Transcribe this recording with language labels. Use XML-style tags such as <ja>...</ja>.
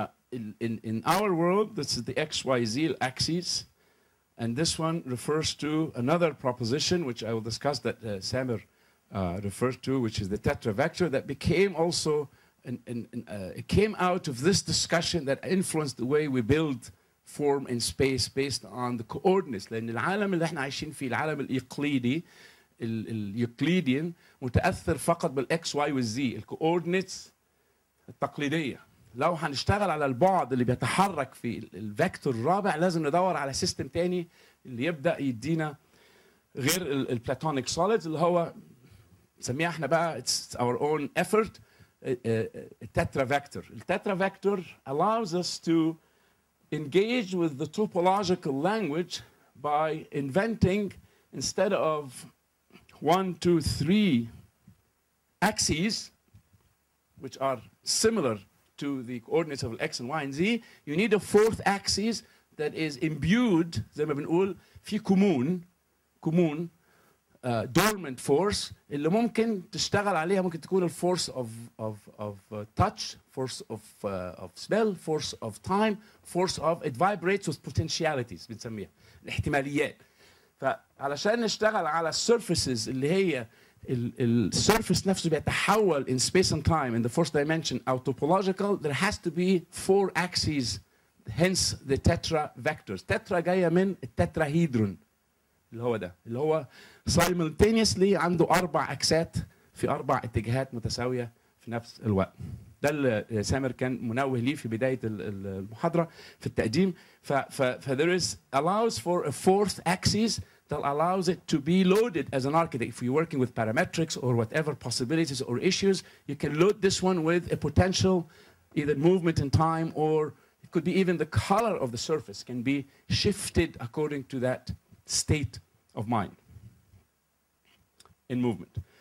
<en>In our world, this is the XYZ axis, and this one refers to another proposition, which I will discuss, that Samer referred to, which is the tetravector, that became also, it came out of this discussion that influenced the way we build form in space based on the coordinates.</en> <ar>لأن العالم اللي احنا عايشين فيه العالم الإقليدي اليوكليديان متأثر فقط بال X Y و Z الكoordinates التقليدية. لو هنشتغل على البعد اللي بيتحرك في الفيكتور الرابع لازم ندور على سيستم تاني اللي يبدأ يدينا غير البلاتونيك سوليد اللي هو نسميها احنا بقى</ar> <en>it's our own effort</en> <ar>التترا فيكتور.</ar> <en>التترا vector allows us to engage with the topological language by inventing, instead of 1, 2, 3 axes, which are similar to the coordinates of X and Y and Z, you need a fourth axis that is imbued,</en> <ar>زي ما بنقول, في كمون,</ar> <en>dormant force,</en> <ar>اللي ممكن تشتغل عليها, ممكن تكون</ar> <en>a force of touch, force of smell, force of time, force of, it vibrates with potentialities,</en> <ar>بنسميها, الاحتماليات. فعلشان نشتغل على</ar> <en>surfaces اللي هي surface</en> <ar>نفسه بيتحول</ar> <en>in space and time in the fourth dimension out topological, there has to be four axes, hence the tetra vectors.</en> <ar>Tetra جاية من التتراهيدرون اللي هو ده اللي هو simultaneously عنده أربع أكسات في أربع اتجاهات متساوية في نفس الوقت. ده اللي سامر كان منوه لي في بداية المحاضرة في التقديم.</ar> <en>There is allows for a fourth axis that allows it to be loaded as an architect. If you're working with parametrics or whatever possibilities or issues, you can load this one with a potential, either movement in time, or it could be even the color of the surface can be shifted according to that state of mind in movement.</en>